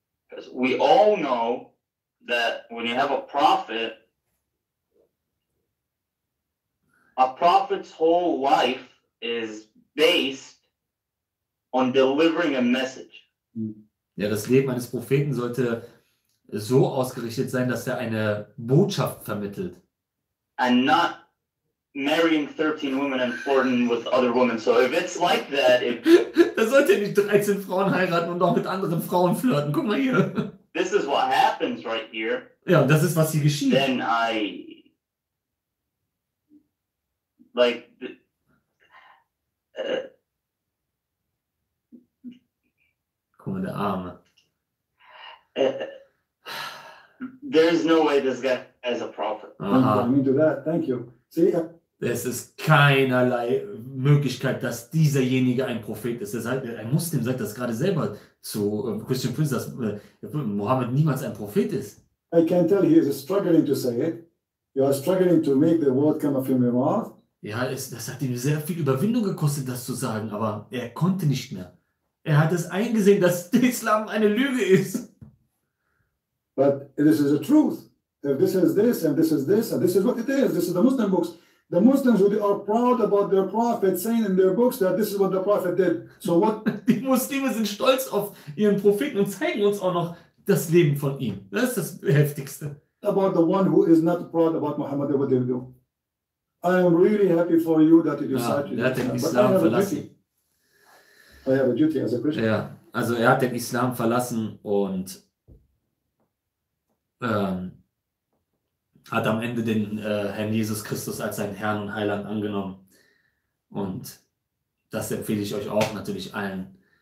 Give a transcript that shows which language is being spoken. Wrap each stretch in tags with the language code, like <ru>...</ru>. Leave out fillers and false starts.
<en>Because we all know that when you have a prophet's whole life is based on delivering a message.</en> <de>Ja, das Leben eines Propheten sollte so ausgerichtet sein, dass er eine Botschaft vermittelt.</de> <en>And not marrying 13 women and flirting with other women. So if it's like that,</en> <de>Er sollte ja nicht 13 Frauen heiraten und auch mit anderen Frauen flirten. Guck mal hier.</de> <en>This is what happens right here.</en> <de>Ja, das ist, was hier geschieht.</de> <en>Then I... Like...</en> <de>Guck mal, der Arme.</de> <en>There is no way this guy is a prophet. Aha. Let me do that. Thank you. See ya.</en> <de>Es ist keinerlei Möglichkeit, dass dieserjenige ein Prophet ist. Ein Muslim sagt das gerade selber zu Christian Prince, dass Mohammed niemals ein Prophet ist.</de> <en>I can tell he is struggling to say it. You are struggling to make the word come from your mouth.</en> <de>Ja, das hat ihm sehr viel Überwindung gekostet, das zu sagen, aber er konnte nicht mehr. Er hat es eingesehen, dass der Islam eine Lüge ist.</de> <en>But this is the truth. If this is this and this is this and this is what it is. This is the Muslim books. The Muslims are proud about their prophet saying in their books that this is what the prophet did. So what?</en> <de>Die Muslime sind stolz auf ihren Propheten und zeigen uns auch noch das Leben von ihm. Das ist das Heftigste.</de> <en>About the one who is not proud about Muhammad, what they do. I am really happy for you that you decided to</en> <de>Islam. Den Islam verlassen.</de> <en>I have a duty as a Christian.</en> <de>Ja, also er hat den Islam verlassen und hat am Ende den Herrn Jesus Christus als seinen Herrn und Heiland angenommen. Und das empfehle ich euch auch natürlich allen.</de>